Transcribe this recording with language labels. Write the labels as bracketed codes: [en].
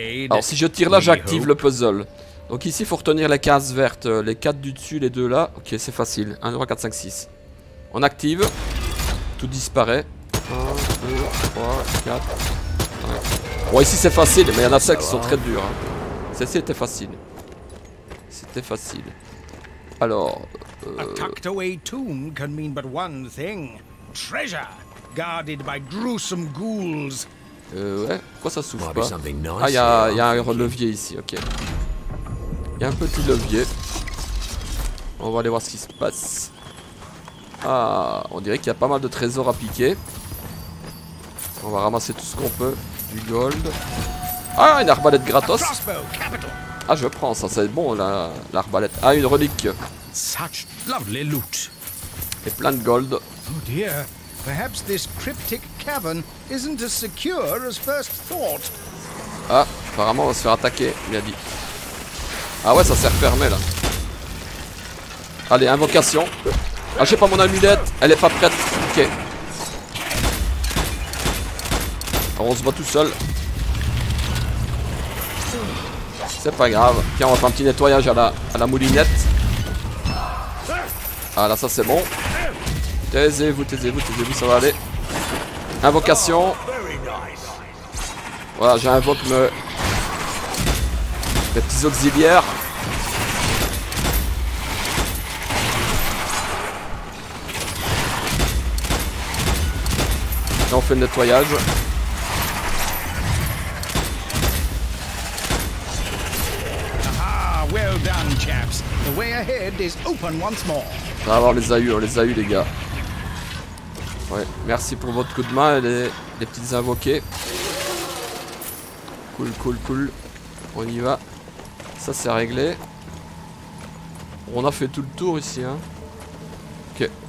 [fr] Alors si je tire là, j'active le puzzle. Donc ici, il faut retenir les cases vertes. Les 4 du dessus, les 2 là. Ok, c'est facile. 1, 2, 3, 4, 5, 6. On active. Tout disparaît. 2, 3, 4. Bon, ici c'est facile, mais il y en a 5 qui sont très durs. Celle-ci était facile. C'était facile. Alors. [en] A tucked away tomb can mean but one thing: treasure guarded by gruesome ghouls. [fr] Ouais, pourquoi ça souffle pas? Ah, y'a un levier ici, ok. Y'a un petit levier. On va aller voir ce qui se passe. Ah, on dirait qu'il y a pas mal de trésors à piquer. On va ramasser tout ce qu'on peut. Du gold. Ah, une arbalète gratos. Ah, je prends ça, c'est bon là, l'arbalète. Ah, une relique. [en] Such lovely loot. [fr] Et plein de gold. [en] Oh dear. Perhaps this cryptic cavern isn't as secure as first thought. [fr] Ah, apparemment on va se faire attaquer, il a dit. Ah ouais, ça s'est refermé là. Allez, invocation. Ah, j'ai pas mon amulette, elle est pas prête. Ok. Alors, on se bat tout seul. C'est pas grave. Tiens, on va faire un petit nettoyage à la moulinette. Ah là, ça c'est bon. Taisez-vous, ça va aller. Invocation. Voilà, j'invoque mes petits auxiliaires. Là, on fait le nettoyage. [en] Well done, chaps. The way ahead is open once more. [fr] Ça va, on les a eu, les gars. Ouais, merci pour votre coup de main, les petites invoquées. Cool. On y va. Ça, c'est réglé. On a fait tout le tour ici, hein. Ok.